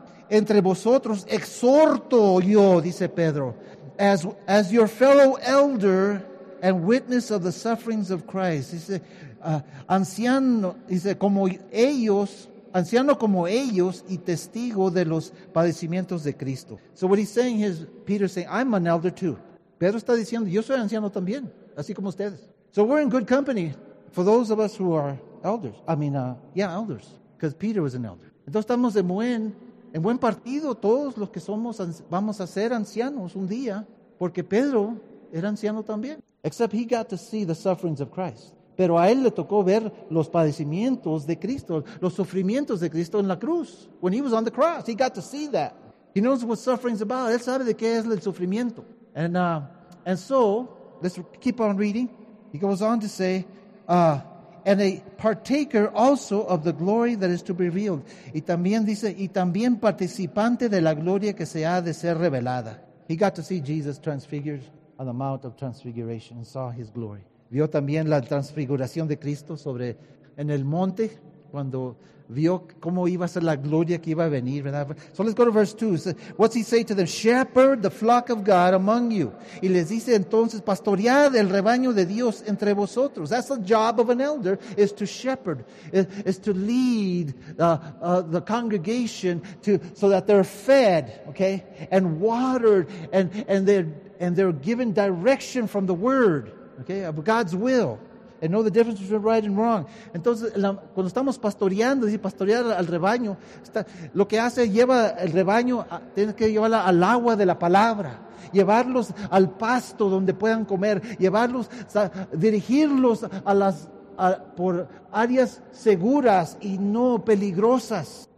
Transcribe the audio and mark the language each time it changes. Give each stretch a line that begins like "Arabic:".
Spanish: entre vosotros exhorto yo, dice Pedro,
English: as your fellow elder and witness of the sufferings of Christ.
Spanish: Dice, anciano, dice, como ellos, anciano como ellos y testigo de los padecimientos de Cristo.
English: So what he's saying is, Peter's saying, I'm an elder too.
Spanish: Pedro está diciendo, yo soy anciano también, así como ustedes.
English: So we're in good company for those of us who are elders. Elders, because Peter was an elder.
Spanish: Entonces estamos de buen... En buen partido, todos los que somos, vamos a ser ancianos un día, porque Pedro era anciano también.
English: Except he got to see the sufferings of Christ.
Spanish: Pero a él le tocó ver los padecimientos de Cristo, los sufrimientos de Cristo en la cruz.
English: When he was on the cross, he got to see that. He knows what suffering's about.
Spanish: Él sabe de qué es el sufrimiento.
English: And so, let's keep on reading. He goes on to say... And a partaker also of the glory that is to be revealed.
Spanish: Y también dice, y también participante de la gloria que se ha de ser revelada.
English: He got to see Jesus transfigured on the Mount of Transfiguration and saw his glory.
Spanish: Vio también la transfiguración de Cristo sobre en el monte cuando vio cómo iba a ser la gloria que iba a venir, ¿verdad?
English: So let's go to verse 2. What's he say to them? Shepherd the flock of God among you.
Spanish: Y les dice entonces, pastoread el rebaño de Dios entre vosotros.
English: That's the job of an elder, is to shepherd, is to lead the congregation to so that they're fed, okay, and watered, and they're given direction from the word, okay, of God's will. And know the difference between right and wrong.
Spanish: Entonces, cuando estamos pastoreando, dice pastorear al rebaño, lo que hace es lleva el rebaño, tiene que llevarla al agua de la palabra, llevarlos al pasto donde puedan comer, llevarlos, dirigirlos por áreas seguras y no peligrosas.